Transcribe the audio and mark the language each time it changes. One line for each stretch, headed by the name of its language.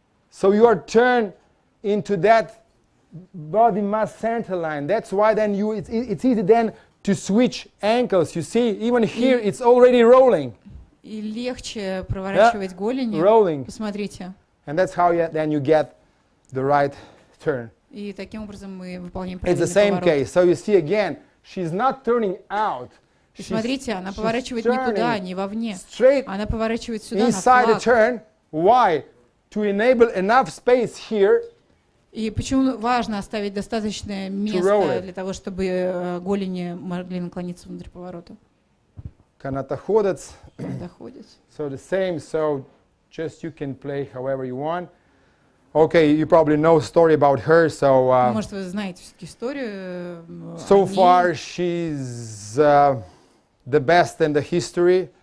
English: So you are turned into that body mass center line. That's why then you it's easy then to switch ankles. You see, even here it's already rolling.
Russian: И легче проворачивать голени.
English: Rolling.
Russian: Посмотрите.
English: And that's how you, then you get the right turn.
Russian: И таким образом мы выполняем правильный
English: поворот. It's the same case. So you see again, she's not turning out.
Russian: Смотрите, она поворачивает никуда, не вовне.
English: Straight.
Russian: Она поворачивает сюда,
English: inside
Russian: на флаг.
English: The turn. Why? To enable enough space here.
Russian: И почему важно оставить достаточное место для того, чтобы голени могли наклониться внутрь поворота. Канатоходец.
English: So the same, so just you can play however you want. Okay, you probably know story about her, so...
Russian: Может, вы знаете все-таки историю.
English: So far, she's the best in the history.